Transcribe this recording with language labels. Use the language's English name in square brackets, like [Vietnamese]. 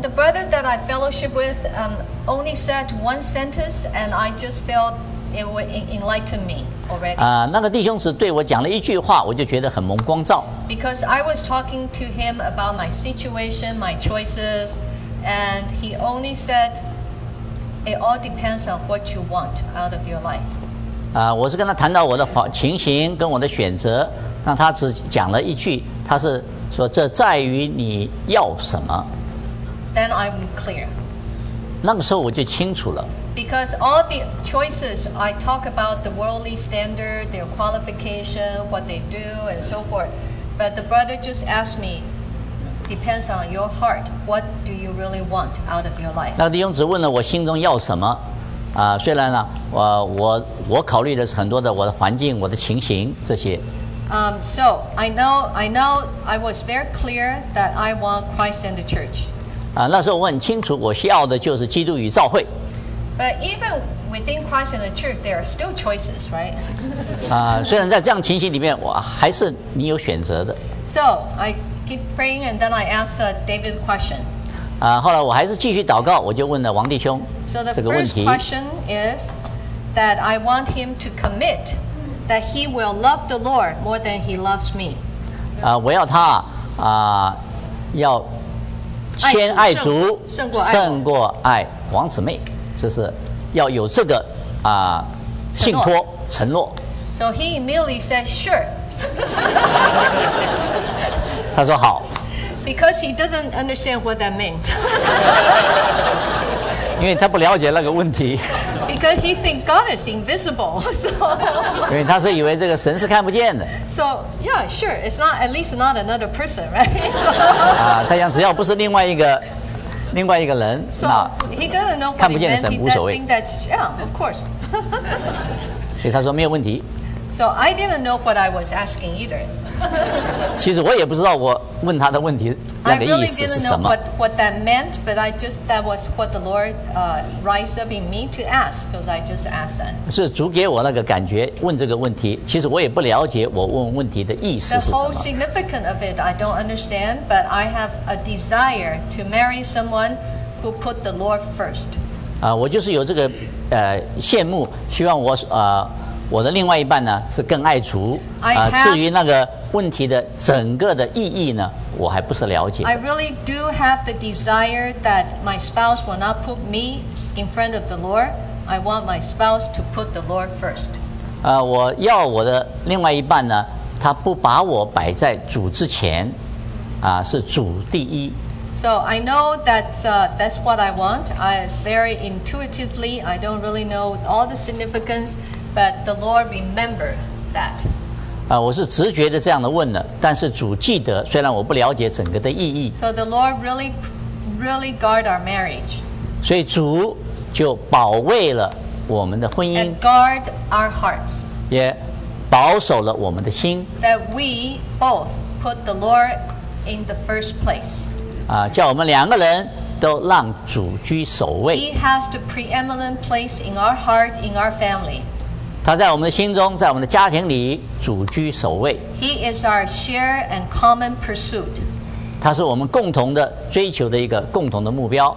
[English] The brother that I fellowship with only said one sentence, and I just felt it would enlighten me already. [Chinese] 那个弟兄只对我讲了一句话，我就觉得很蒙光照。 [English] Because I was talking to him about my situation, my choices, and he only said, "It all depends on what you want out of your life." [Chinese] 我是跟他谈到我的情形跟我的选择，但他只讲了一句，他是说这在于你要什么。 [English] Then I'm clear. [Chinese] 那个时候我就清楚了。 [English] Because all the choices I talk about the worldly standard, their qualification, what they do, and so forth. But the brother just asked me, depends on your heart, what do you really want out of your life? [Chinese] 那弟兄只问了我心中要什么。虽然呢，我考虑的是很多的我的环境、我的情形这些。 [English] So I know I was very clear that I want Christ and the church. [Chinese] 那时候我很清楚，我需要的就是基督与教会。 [English] But even within Christ and the church, there are still choices, right? [Chinese] 虽然在这样情形里面，我还是你有选择的。 [English] So I keep praying, and then I ask David a question. [Chinese] 后来我还是继续祷告，我就问了王弟兄这个问题。 [English] So the first question is that I want him to commit. That he will love the Lord more than he loves me. [Chinese] 我要他要先爱主胜过爱王姊妹，就是要有这个信托承诺。 [English] So he immediately said, "Sure." [Chinese] 他说好。 [English] Because he doesn't understand what that meant. [Chinese] 因为他不了解那个问题。 [English] Because he thinks God is invisible, so. [Chinese] 因为他是以为这个神是看不见的。 [English] So yeah, sure. It's not at least not another person, right? [Chinese] 他想只要不是另外一个人， [English] so, [Chinese] 那 [English] he doesn't know [Chinese] 看不见的神无所谓。 [English] He doesn't think that, yeah, of course. [Chinese] 所以他说没有问题。 [English] So I didn't know what I was asking either. [Chinese] 其实我也不知道我问他的问题那个意思是什么。 [English] I really didn't know what that meant, but I just that was what the Lord rise up in me to ask, because I just asked that. [Chinese] 是主给我那个感觉问这个问题，其实我也不了解我问问题的意思是什么。 [English] The whole significance of it I don't understand, but I have a desire to marry someone who put the Lord first. [Chinese] 我就是有这个羡慕，希望我我的另外一半呢是更爱主至于那个问题的整个的意义呢，我还不是了解。 [English] I really do have the desire that my spouse will not put me in front of the Lord. I want my spouse to put the Lord first. [Chinese] 我要我的另外一半呢，他不把我摆在主之前，是主第一。 [English] So I know that's what I want. I very intuitively, I don't really know all the significance. But the Lord remembered that. [Chinese] 我是直觉的这样的问的，但是主记得，虽然我不了解整个的意义。 [English] So the Lord really, really guard our marriage. [Chinese] 所以主就保卫了我们的婚姻。 [English] And guard our hearts. [Chinese] 也保守了我们的心。 [English] That we both put the Lord in the first place. [Chinese] 叫我们两个人都让主居首位。 [English] He has the preeminent place in our heart, in our family. [Chinese] 他在我们的心中，在我们的家庭里，主居首位。 [English] He is our share and common pursuit. [Chinese] 他是我们共同的追求的一个共同的目标。